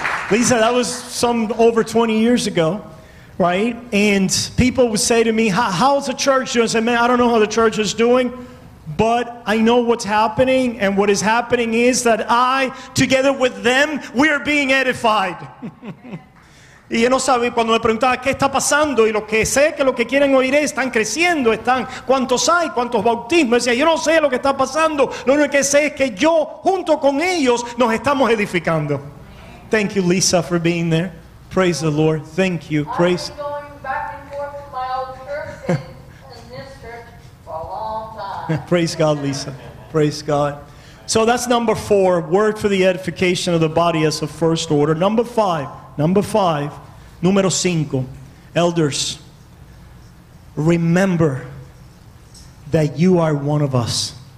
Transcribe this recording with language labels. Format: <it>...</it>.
<en>Lisa, that was some over 20 years ago. Right? And people would say to me, how's the church doing? I said, man, I don't know how the church is doing, but I know what's happening. And what is happening is that I, together with them, we are being edified.</en> <es>Y yo no sabía, cuando me preguntaba qué está pasando, y lo que sé que lo que quieren oír es, están creciendo, están, ¿cuántos hay? ¿Cuántos bautismos? Y decía, yo no sé lo que está pasando. Lo único que sé es que yo, junto con ellos, nos estamos edificando.</es> <en>Thank you, Lisa, for being there. Praise the Lord. Thank you. Praise. I've been going back and forth to my old church in this church for a long time. Praise God, Lisa. Praise God. So that's number 4, work for the edification of the body as a first order. Number 5.</en> <es>Número 5.</es> <en>Elders, remember that you are one of us.</en>